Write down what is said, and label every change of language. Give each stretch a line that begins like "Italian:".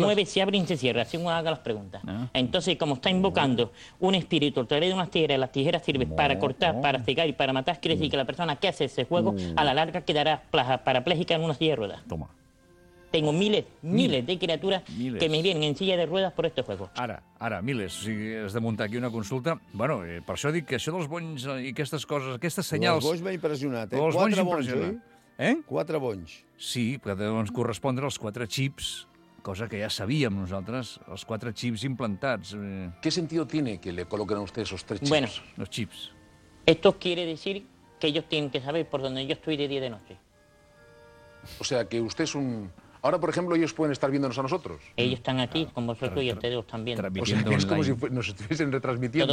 Spanish: Se mueve, se abre y se cierra, según haga las preguntas. Entonces, como está invocando un espíritu a través de unas tijeras, las tijeras sirven para cortar, para cegar y para matar, quiere decir que la persona que hace ese juego a la larga quedará parapléjica en una silla de ruedas. Toma. Tengo miles de criaturas que me vienen en silla de ruedas por este juego.
Catalan: Ara, miles. O sigui, has de muntar aquí una consulta. Bueno, per això dic que això dels bonys i aquestes coses, aquestes senyals... Els bonys m'ha impressionat, eh? Els bonys impressionat. Quatre bonys. Sí, que deuen correspondre als quatre xips, cosa que ja sabíem nosaltres, els quatre xips implantats.
Spanish: ¿Qué sentido tiene que le coloquen a ustedes esos tres chips? Bueno, los chips. Esto quiere decir que ellos tienen que saber por dónde yo estoy de día y de noche. O sea, que usted es un... Ahora, por ejemplo, ellos pueden estar viéndonos a nosotros. Ellos están aquí con vosotros y ustedes están viendo. O sea, que es como si nos estuviesen retransmitiendo.